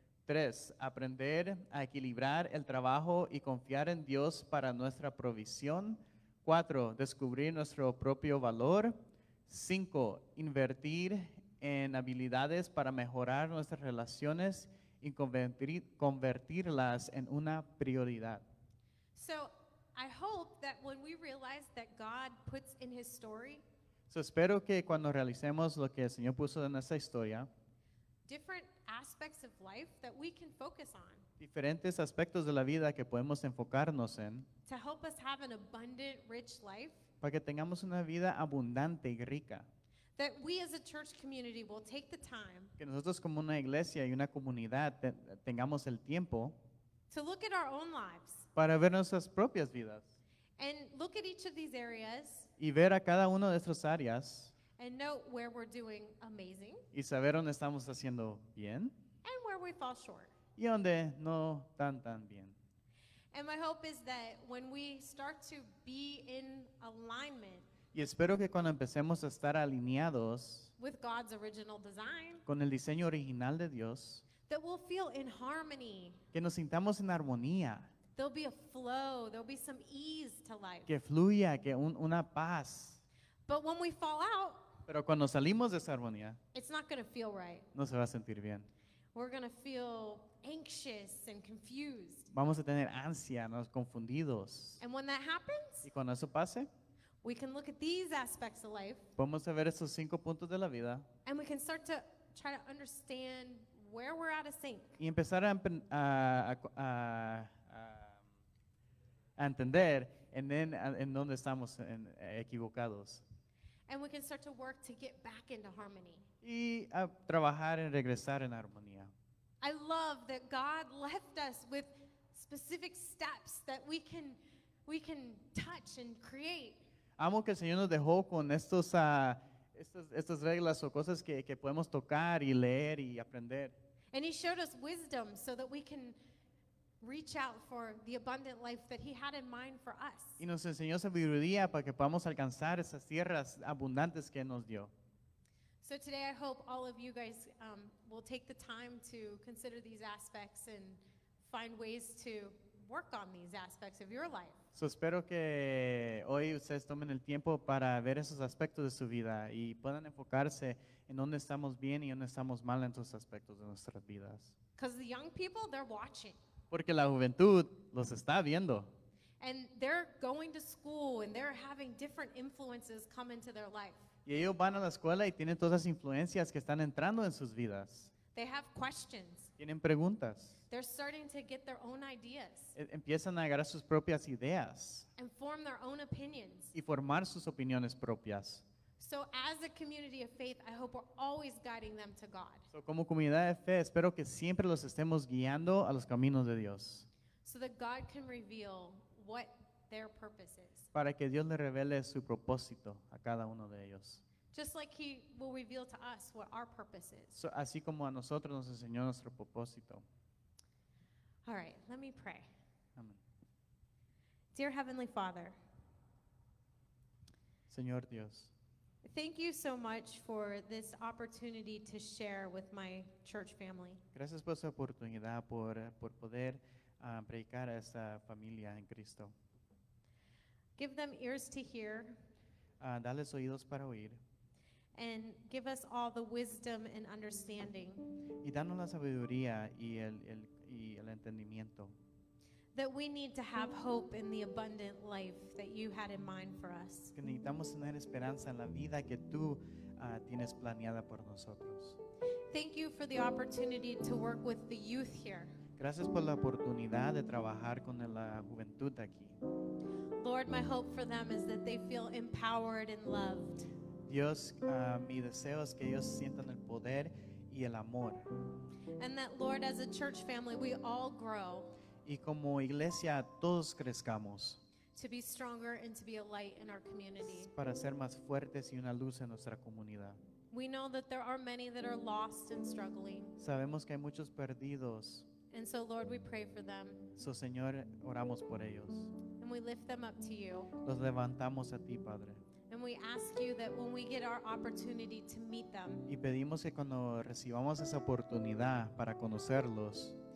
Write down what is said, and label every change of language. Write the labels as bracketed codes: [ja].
[es] Tres, aprender a equilibrar el trabajo y confiar en Dios para nuestra provisión. Cuatro, descubrir nuestro propio valor. Cinco, invertir en habilidades para mejorar nuestras relaciones y convertirlas en una prioridad. [en] So, I hope that when we realize that God puts in his story, [es] So espero que cuando realicemos lo que el Señor puso en esa historia, [en] different aspects of life that we can focus on, [es] diferentes aspectos de la vida que podemos enfocarnos en, [en] to help us have an abundant, rich life, [es] para que tengamos una vida abundante y rica, [en] that we as a church community will take the time, [es] que nosotros como una iglesia y una comunidad tengamos el tiempo, [en] to look at our own lives, [es] para ver nuestras propias vidas, [en] and look at each of these areas, [es] y ver a cada uno de estas áreas, [en] and note where we're doing amazing, [es] y saber dónde estamos haciendo bien, [en] and where we fall short, [es] y dónde no tan tan bien. [en] And my hope is that when we start to be in alignment, [es] y espero que cuando empecemos a estar alineados [en] with God's original design, [es] con el diseño original de Dios, [en] that we'll feel in harmony, [es] que nos sintamos en armonía, [en] there'll be a flow, there'll be some ease to life, [es] que fluya, que una paz. [en] But when we fall out, [es] pero cuando salimos de esa armonía, [en] it's not going to feel right, [es] no se va a sentir bien. [en] We're going to feel anxious and confused, [es] vamos a tener ansia, nos confundidos. [en] And when that happens, [es] y cuando eso pase, [en] we can look at these aspects of life, [es] vamos a ver esos cinco puntos de la vida, [en] and we can start to try to understand where we're out of sync, [es] y empezar a entender en donde estamos equivocados, [en] and we can start to work to get back into harmony, [es] y a trabajar en regresar en armonía. [en] I love that God left us with specific steps that we can touch and create. [es] Amo que el Señor nos dejó con estas reglas o cosas que podemos tocar y leer y aprender. [en] And he showed us wisdom so that we can reach out for the abundant life that he had in mind for us. [es] Y nos enseñó sabiduría para que podamos alcanzar esas tierras abundantes que nos dio. [en] So today I hope all of you guys will take the time to consider these aspects and find ways to work on these aspects of your life. [es] So espero que hoy ustedes tomen el tiempo para ver esos aspectos de su vida y puedan enfocarse en dónde estamos bien y dónde estamos mal en esos aspectos de nuestras vidas. [en] Because the young people, they're watching. [es] Porque la juventud los está viendo. [en] And they're going to school and they're having different influences come into their life. [es] Y ellos van a la escuela y tienen todas las influencias que están entrando en sus vidas. [en] They have questions. [es] Tienen preguntas. [en] They're starting to get their own ideas. [es] Empiezan a agarrar sus propias ideas. [en] And form their own opinions. [es] Y formar sus opiniones propias. [en] So as a community of faith, I hope we're always guiding them to God. [es] So como comunidad de fe, espero que siempre los estemos guiando a los caminos de Dios. [en] So that God can reveal what their purpose is. [es] Para que Dios le revele su propósito a cada uno de ellos. [en] Just like he will reveal to us what our purpose is. [es] So, así como a nosotros nos enseñó nuestro propósito. [en] All right, let me pray. [es] Amen. [en] Dear Heavenly Father. [es] Señor Dios. [en] Thank you so much for this opportunity to share with my church family. [es] Gracias por su oportunidad por poder predicar a esta familia en Cristo. [en] Give them ears to hear. [es] Dales oídos para oír. [en] And give us all the wisdom and understanding. [es] Y danos la sabiduría y el entendimiento. [en] That we need to have hope in the abundant life that you had in mind for us. [es] Que necesitamos tener esperanza en la vida que tú tienes planeada por nosotros. [en] Thank you for the opportunity to work with the youth here. [es] Gracias por la oportunidad de trabajar con la juventud aquí. [en] Lord, my hope for them is that they feel empowered and loved. [es] Dios, mi deseo es que ellos sientan el poder y el amor. [en] And that, Lord, as a church family, we all grow. [es] Y como iglesia, todos crezcamos. [en] To be stronger and to be a light in our community. [es] Para ser más fuertes y una luz en nuestra comunidad. [en] We know that there are many that are lost and struggling. [es] Sabemos que hay muchos perdidos. [en] And so, Lord, we pray for them. [es] So, Señor, oramos por ellos. [en] And we lift them up to you. [es] Los levantamos a ti, Padre. [en] And we ask you that when we get our opportunity to meet them, [es] y pedimos que cuando recibamos esa oportunidad para conocerlos,